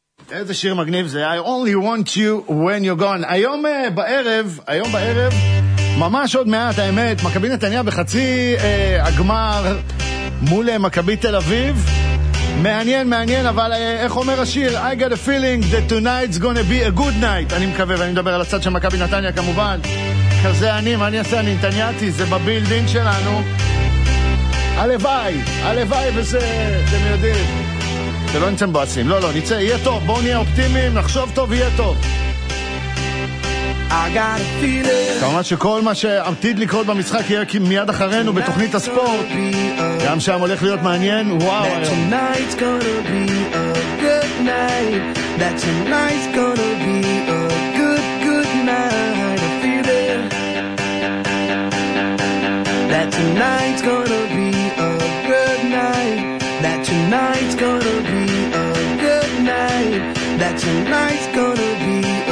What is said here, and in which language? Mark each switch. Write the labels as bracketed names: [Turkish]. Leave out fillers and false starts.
[Hebrew] איזה שיר מגניב זה, [English] I only want you when you're gone. [Hebrew] היום בערב, ממש עוד מעט, האמת, מכבי נתניה בחצי הגמר מול מכבי תל אביב. מעניין, מעניין, אבל איך אומר השיר? [English] I got a feeling that tonight's gonna be a good night. [Hebrew] אני מקווה, ואני מדבר על הצד של מכבי נתניה כמובן. כזה אני, מה אני אעשה? אני נתניאתי, זה בבילדינג שלנו. הלוואי, הלוואי, וזה, אתם יודעים. שלא נצא מבועסים, לא, לא, נצא, יהיה טוב, בואו נהיה אופטימיים, נחשוב טוב, יהיה טוב. כמובן שכל מה שעתיד לקרות במשחק יהיה מיד אחרינו בתוכנית הספורט, גם שם הולך להיות מעניין. וואו, [English] that tonight's gonna be a good night, that tonight's gonna be a good good night, I feel it, that tonight's gonna be a good night, that tonight's gonna be a good night, that tonight's gonna be